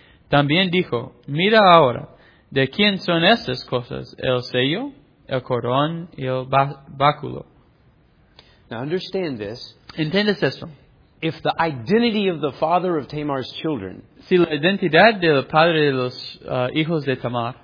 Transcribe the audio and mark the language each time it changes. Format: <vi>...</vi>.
<es>También dijo, mira ahora, ¿de quién son estas cosas? ¿El sello, el corón y el báculo?</es> <en>Now understand this.</en> <es>¿Entiendes esto?</es> <en>If the identity of the father of Tamar's children,</en> <es>si la identidad del padre de los hijos de Tamar,</es>